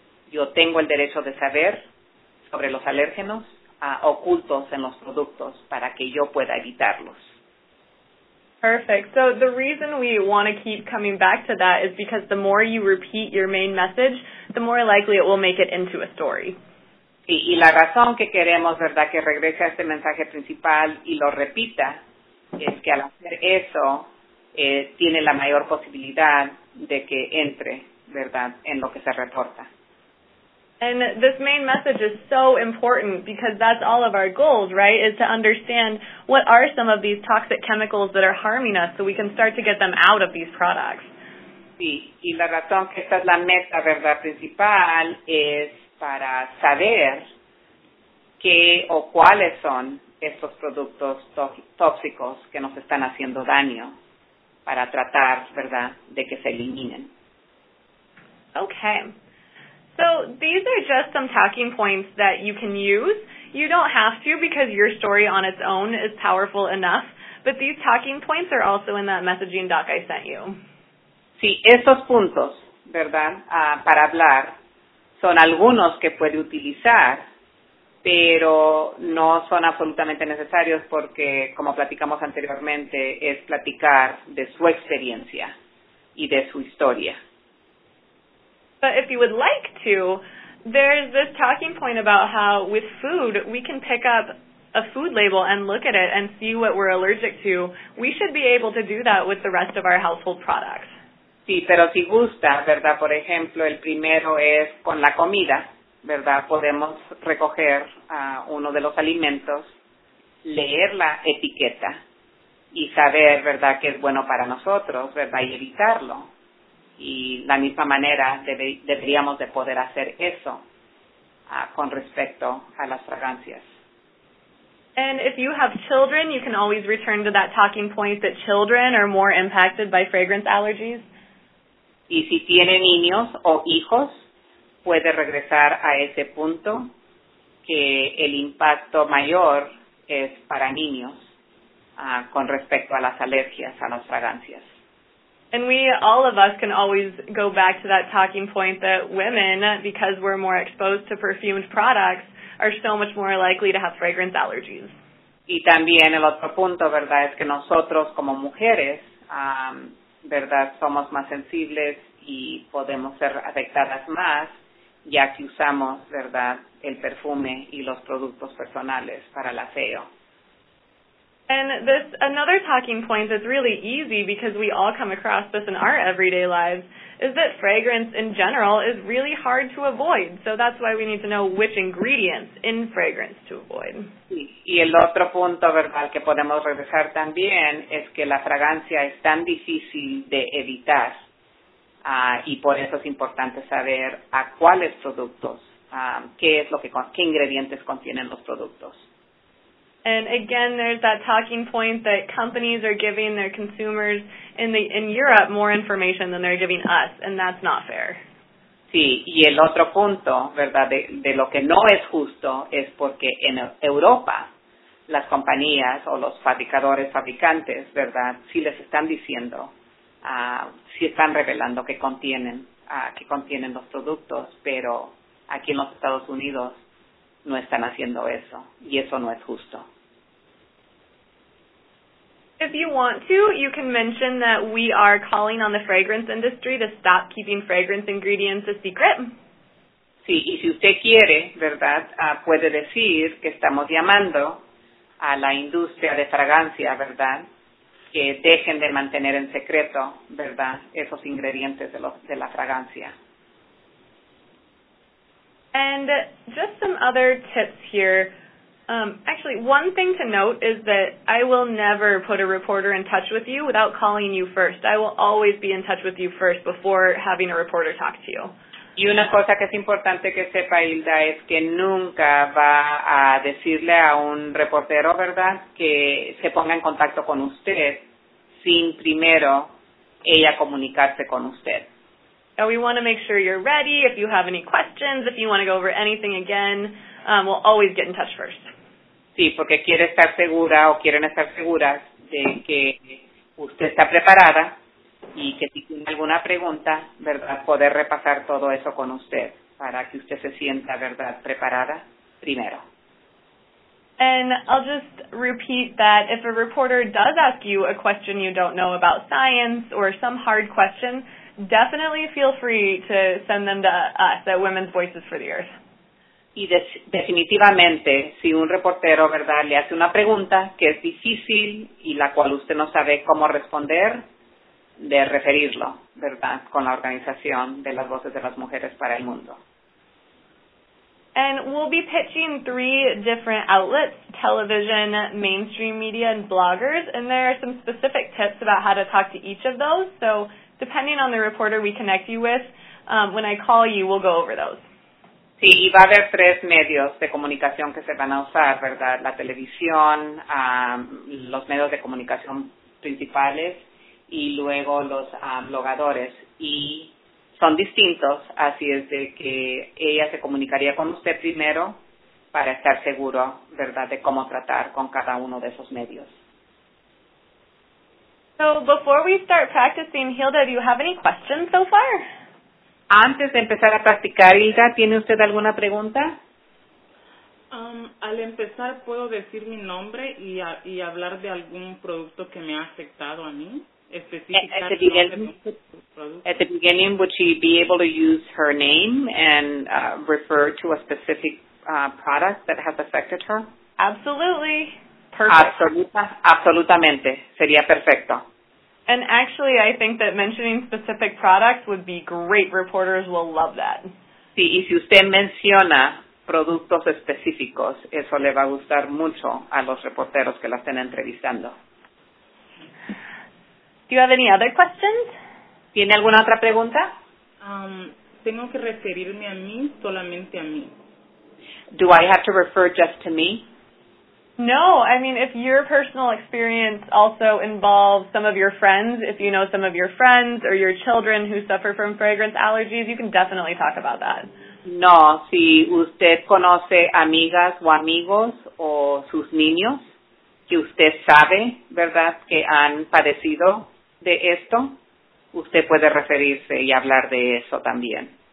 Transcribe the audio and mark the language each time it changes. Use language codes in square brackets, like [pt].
[es] Yo tengo el derecho de saber sobre los alérgenos ocultos en los productos para que yo pueda evitarlos. [en] Perfect. So the reason we want to keep coming back to that is because the more you repeat your main message, the more likely it will make it into a story. [es] Y la razón que queremos, ¿verdad?, que regrese a este mensaje principal y lo repita es que al hacer eso tiene la mayor posibilidad de que entre, ¿verdad?, en lo que se reporta. [en] And this main message is so important because that's all of our goals, right, is to understand what are some of these toxic chemicals that are harming us so we can start to get them out of these products. [es] Sí, y la razón que esta es la meta, ¿verdad?, principal es para saber qué o cuáles son estos productos tóxicos que nos están haciendo daño para tratar, ¿verdad?, de que se eliminen. [en] Okay. So these are just some talking points that you can use. You don't have to because your story on its own is powerful enough, but these talking points are also in that messaging doc I sent you. [es] Sí, esos puntos, ¿verdad?, para hablar son algunos que puede utilizar, pero no son absolutamente necesarios porque, como platicamos anteriormente, es platicar de su experiencia y de su historia. [en] But if you would like to, there's this talking point about how with food, we can pick up a food label and look at it and see what we're allergic to. We should be able to do that with the rest of our household products. [es] Sí, pero si gusta, ¿verdad? Por ejemplo, el primero es con la comida. ¿verdad? Podemos recoger uno de los alimentos, leer la etiqueta y saber, ¿verdad?, que es bueno para nosotros, ¿verdad?, y evitarlo. Y la misma manera deberíamos de poder hacer eso con respecto a las fragancias. [en] And if you have children, you can always return to that talking point that children are more impacted by fragrance allergies. [es] Y si tiene niños o hijos, puede regresar a ese punto que el impacto mayor es para niños con respecto a las alergias a las fragancias. [en] And we, all of us, can always go back to that talking point that women, because we're more exposed to perfumed products, are so much more likely to have fragrance allergies. [es] Y también el otro punto, ¿verdad?, es que nosotros como mujeres, ¿verdad?, somos más sensibles y podemos ser afectadas más ya que usamos, ¿verdad?, el perfume y los productos personales para el aseo. [en] And this another talking point that's really easy because we all come across this in our everyday lives is that fragrance in general is really hard to avoid. So that's why we need to know which ingredients in fragrance to avoid. [es] Y el otro punto, ¿verdad?, que podemos regresar también es que la fragancia es tan difícil de evitar y por eso es importante saber a cuáles productos, qué ingredientes contienen los productos. [en] And again, there's that talking point that companies are giving their consumers in Europe more information than they're giving us, and that's not fair. [es] Sí, y el otro punto, ¿verdad?, de lo que no es justo es porque en Europa las compañías o los fabricantes, ¿verdad?, sí les están diciendo, sí están revelando que contienen los productos, pero aquí en los Estados Unidos no están haciendo eso, y eso no es justo. [en] If you want to, you can mention that we are calling on the fragrance industry to stop keeping fragrance ingredients a secret. [es] Sí, y si usted quiere, ¿verdad?, puede decir que estamos llamando a la industria de fragancia, ¿verdad?, que dejen de mantener en secreto, ¿verdad?, esos ingredientes de la fragancia. [en] And just some other tips here. Actually, one thing to note is that I will never put a reporter in touch with you without calling you first. I will always be in touch with you first before having a reporter talk to you. [es] Y una cosa que es importante que sepa Hilda es que nunca va a decirle a un reportero, ¿verdad?, que se ponga en contacto con usted sin primero ella comunicarse con usted. [en] And we want to make sure you're ready. If you have any questions, if you want to go over anything again, we'll always get in touch first. [es] Sí, porque quiere estar segura o quieren estar seguras de que usted está preparada y que si tiene alguna pregunta, ¿verdad?, poder repasar todo eso con usted para que usted se sienta, ¿verdad?, preparada primero. [en] And I'll just repeat that if a reporter does ask you a question you don't know about science or some hard question, definitely feel free to send them to us at Women's Voices for the Earth. [es] Y definitivamente, si un reportero, ¿verdad?, le hace una pregunta que es difícil y la cual usted no sabe cómo responder, de referirlo, ¿verdad?, con la organización de las Voces de las Mujeres para el Mundo. [en] And we'll be pitching 3 different outlets, television, mainstream media, and bloggers, and there are some specific tips about how to talk to each of those. So depending on the reporter we connect you with, when I call you, we'll go over those. [es] Sí, y va a haber 3 medios de comunicación que se van a usar, ¿verdad? La televisión, los medios de comunicación principales y luego los blogadores. Y son distintos, así es de que ella se comunicaría con usted primero para estar seguro, ¿verdad?, de cómo tratar con cada uno de esos medios. [en] So, before we start practicing, Hilda, do you have any questions so far? [es] Antes de empezar a practicar, Hilda, ¿tiene usted alguna pregunta? Al empezar, ¿puedo decir mi nombre y hablar de algún producto que me ha afectado a mí? [en] At the beginning, would she be able to use her name and refer to a specific product that has affected her? Absolutely. Perfect. [es] Absolutamente. Sería perfecto. [en] And actually, I think that mentioning specific products would be great. Reporters will love that. [es] Sí, y si usted menciona productos específicos, eso le va a gustar mucho a los reporteros que la estén entrevistando. [en] Do you have any other questions? [es] ¿Tiene alguna otra pregunta? Tengo que referirme a mí, solamente a mí. [en] Do I have to refer just to me? No, I mean, if your personal experience also involves some of your friends, if you know some of your friends or your children who suffer from fragrance allergies, you can definitely talk about that. [es] No, si usted conoce amigas o amigos o sus niños, que usted sabe, ¿verdad?, que han padecido de esto, usted puede referirse y hablar de eso también.